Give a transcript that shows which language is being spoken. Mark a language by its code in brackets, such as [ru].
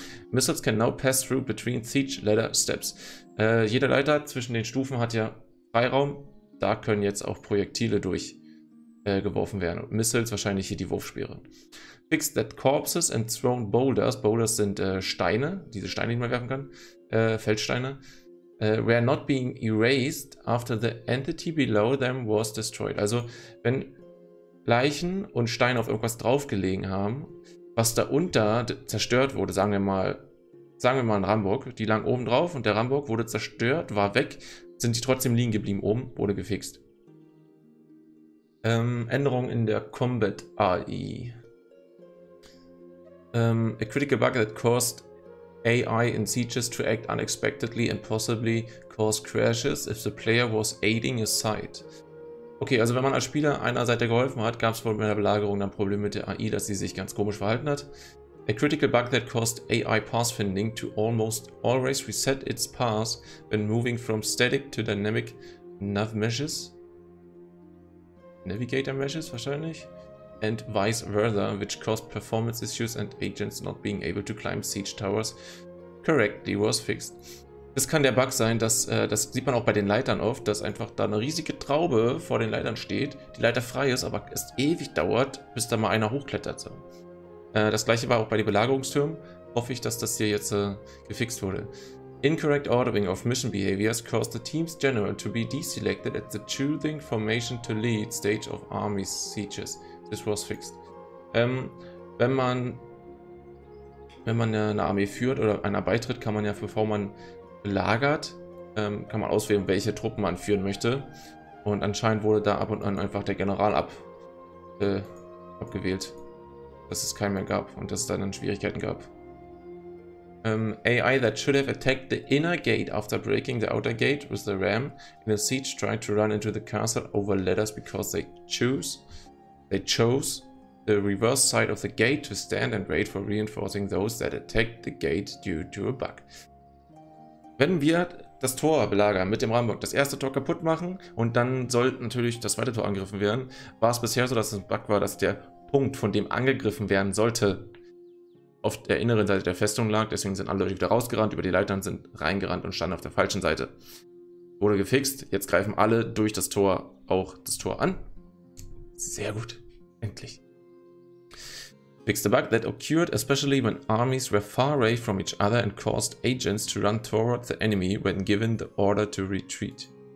[en] Missiles can now pass through between siege ladder steps. [de] Jede Leiter zwischen den Stufen hat ja Freiraum. Da können jetzt auch Projektile durchgeworfen werden. [en] Missiles, [de] wahrscheinlich hier die Wurfspeere. [en] Fixed that corpses and thrown boulders. [de] Boulders sind Steine, diese Steine, die man werfen kann. Feldsteine. [en] Were not being erased after the entity below them was destroyed. [de] Also, wenn Leichen und Steine auf irgendwas draufgelegen haben, was darunter zerstört wurde, sagen wir mal ein Rambock, die lagen oben drauf und der Rambock wurde zerstört, war weg, sind die trotzdem liegen geblieben oben, wurde gefixt. Änderung in der Combat AI. [en] A critical bug that caused AI in sieges to act unexpectedly and possibly cause crashes if the player was aiding a site. [de] Okay, also wenn man als Spieler einer Seite geholfen hat, gab es wohl bei der Belagerung dann Probleme mit der AI, dass sie sich ganz komisch verhalten hat. [en] A critical bug that caused AI pathfinding to almost always reset its path when moving from static to dynamic nav meshes. [de] Navigator meshes wahrscheinlich. [en] And vice versa, which caused performance issues and agents not being able to climb siege towers correctly was fixed. [de] Das kann der Bug sein, dass das sieht man auch bei den Leitern oft, dass einfach da eine riesige Traube vor den Leitern steht, die Leiter frei ist, aber es ewig dauert, bis da mal einer hochklettert. Das gleiche war auch bei den Belagerungstürmen. Hoffe ich, dass das hier jetzt gefixt wurde. [en] Incorrect ordering of mission behaviors caused the team's general to be deselected at the choosing formation to lead stage of army sieges. This was fixed. [de] Wenn man eine Armee führt oder einer beitritt, kann man ja, bevor man belagert, kann man auswählen, welche Truppen man führen möchte. Und anscheinend wurde da ab und an einfach der General abgewählt, dass es keinen mehr gab und dass es dann Schwierigkeiten gab. [en] AI that should have attacked the inner gate after breaking the outer gate with the ram in the siege tried to run into the castle over ladders because they chose the reverse side of the gate to stand and wait for reinforcing those that attacked the gate due to a bug. [de] Wenn wir das Tor belagern mit dem Rammbock, das erste Tor kaputt machen und dann soll natürlich das zweite Tor angegriffen werden, war es bisher so, dass es ein Bug war, dass der Punkt, von dem angegriffen werden sollte, auf der inneren Seite der Festung lag. Deswegen sind alle Leute wieder rausgerannt, über die Leitern sind reingerannt und standen auf der falschen Seite. Wurde gefixt, jetzt greifen alle durch das Tor auch das Tor an. Sehr gut, endlich. [en] Fixed a bug that occurred especially when armies were far away from each other and caused agents to run toward the enemy when given the order to retreat.